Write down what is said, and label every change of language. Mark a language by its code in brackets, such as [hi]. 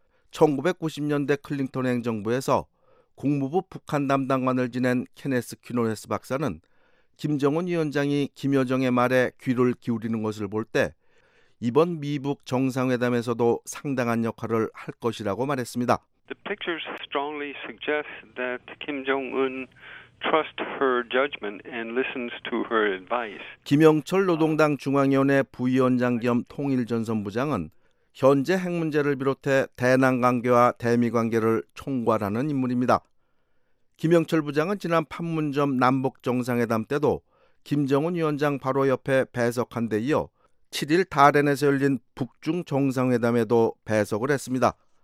[ko] 1990년대 클링턴 행정부에서 국무부 북한 담당관을 지낸 케네스 퀴노레스 박사는 김정은 위원장이 김여정의 말에 귀를 기울이는 것을 볼 때 이번 미북 정상회담에서도 상당한 역할을 할 것이라고 말했습니다. [en] The pictures strongly suggest that Kim Jong-un trusts her judgment and listens to her advice. [ko] 김영철 노동당 중앙위원회 부위원장 겸 통일전선부장은 현재 핵 문제를 비롯해 대남 관계와 대미 관계를 총괄하는 인물입니다. 김영철 부장은 지난 판문점 남북 정상회담 때도 김정은 위원장 바로 옆에 배석한 데 이어 7일 다렌에서 열린 북중 정상회담에도 배석을 했습니다.